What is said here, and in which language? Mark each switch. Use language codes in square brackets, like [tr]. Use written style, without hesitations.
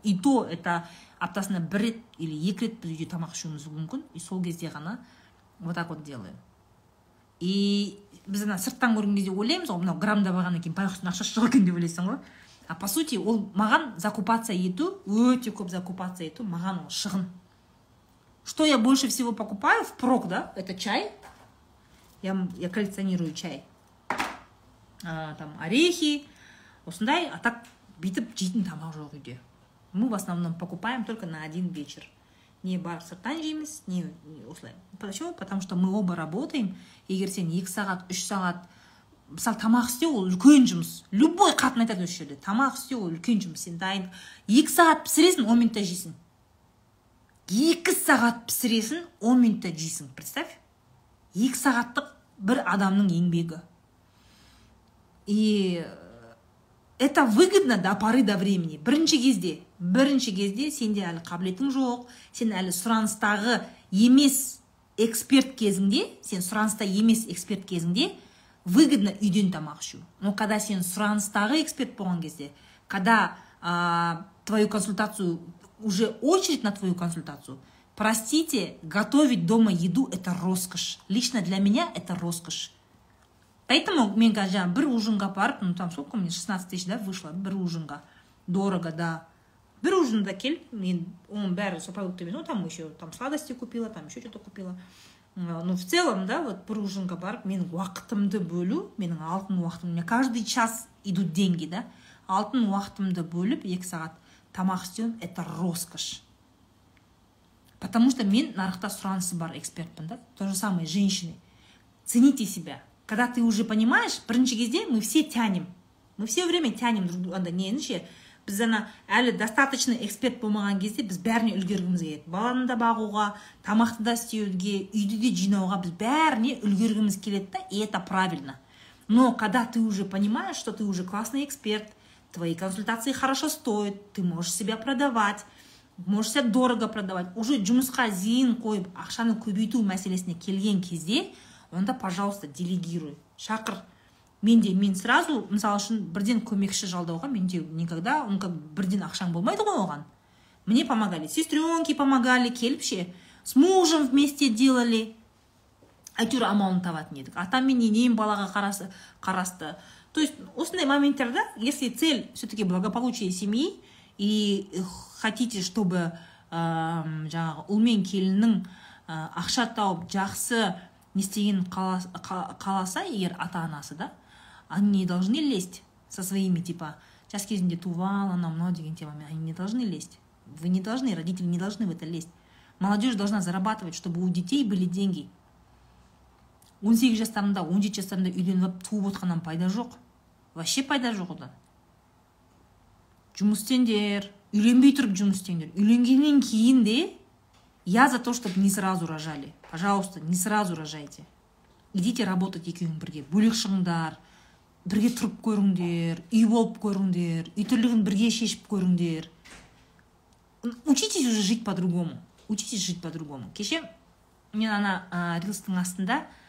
[ru] И то это [kk] аптасына бір рет или екі рет біз үйде тамақ ішуіміз мүмкін, и сол кезде ғана [ru] вот так вот делаю. [kk] И біз ана сырттан көрген кезде ойлаймыз ғой, мынау граммдап алғаннан кейін байқұстың ақшасы жоқ екен деп ойлайсың ғой. [ru] А по сути [kk] ол маған закупаться ету, өте көп закупаться ету маған ол шығын. [ru] Что я больше всего покупаю впрок, да, это чай. Я коллекционирую чай. Там орехи. [kk] Осындай, [ru] а так [kk] бүйтіп жейтін тамақ жоқ үйде. [ru] Мы в основном покупаем только на один вечер. [kk] Не бар сырттан жейміз, не осылай. [ru] Почему? Потому что мы оба работаем. [kk] Егер сен 2 сағат, 3 сағат, мысалы тамақ істеу ол үлкен жұмыс. Любой қатын айтады осы жерде. Тамақ істеу ол үлкен жұмыс. Сен дайын 2 сағат пісіресің, 10 минутта жейсің. 2 сағат пісіресің, 10 минутта жейсің. [ru] Представь. [kk] 2 сағаттық бір адамның еңбегі. [ru] И это выгодно до поры до времени. [kk] Бірінші кезде сенде әлі қабілетің жоқ, сен әлі сұраныстағы емес эксперт кезінде, сен сұраныста емес эксперт кезінде выгодно үйден тамақ ішу. [ru] Но когда [kk] сен сұраныстағы эксперт болған кезде, [ru] когда твою консультацию, уже очередь на твою консультацию, простите, готовить дома еду – это роскошь. Лично для меня это роскошь. Поэтому [kk] мен қазір бір ужинға барып, [ru] ну там сколько мне, 16 тысяч, да, вышло, бір ужинға. Дорого, да. [kk] Бір ужинда кел, мен оның бәрі [ru] со продукты, ну там еще там сладости купила, там еще что-то купила. Ну в целом, да, вот [kk] бір ужинға барып, менің уақытымды бөлу, менің алтын уақытым, [ru] мне каждый час идут деньги, да. [kk] Алтын уақытымды бөліп, 2 сағат тамақ істеу, [ru] это роскошь. Потому что [kk] мен нарықта сұранысы бар экспертпін, да. [ru] То же самое, женщины, цените себя. Когда ты уже понимаешь, [kk] бірінші кезде [ru] мы все тянем. Мы все время тянем друг друга. [kk] Неніше, біз ана әлі достаточно эксперт болмаған кезде, біз бәріне үлгергіміз келеді. Баланы да бағуға, тамақты да істеуге, үйді де жинауға, біз бәріне үлгергіміз келеді да, [ru] и это правильно. Но когда ты уже понимаешь, что ты уже классный эксперт, твои консультации хорошо стоят, ты можешь себя продавать, можешь себя дорого продавать, [kk] уже жұмысқа зейін қойып, ақшаны көбейту мәселесіне келген кезде, онда, [ru] пожалуйста, делегируй, шақыр. [kk] Мен [ru] сразу, [kk] мысалы үшін, бірден көмекші жалдауға, менде [ru] никогда, он как [kk] бірден ақшаң болмайды ғой оған. [ru] Мне помогали, сестренки помогали, келіпше, с мужем вместе делали, [kk] әйтеуір амалын табатын едік. Атам мен енем балаға қарасты. [ru] То есть, [kk] осындай моменттерде, [ru] если цель все-таки благополучие семьи, и хотите, чтобы [kk] жаңағы ұл мен келіннің ақша тауып, жақсы, не істеген қаласа, егер ата-анасы, да, [ru] они не должны лезть со своими, типа, [kk] жас кезінде туван, анау-мынау деген темамен, они не должны лезть. [ru] Вы не должны, родители не должны в это лезть. Молодежь должна зарабатывать, чтобы у детей были деньги. [kk] 18 жастарында, 17 жастарында үйленіп, туып отқаннан пайда жоқ. [ru] Вообще [kk] пайда жоқ одан. Жұмыс істеңдер, үйленбей тұрып жұмыс істеңдер. Үйленгеннен кейін де, [ru] я за то, чтобы не сразу рожали. Пожалуйста, не сразу рожайте. Идите работать [kk] екеуің бірге. Бөлек шығыңдар, бірге тұрып көріңдер, үй болып көріңдер, үй тірлігін бірге шешіп көріңдер. [ru] Учитесь уже жить по-другому. Учитесь жить по-другому. [kk] Кеше мен ана рилстың астында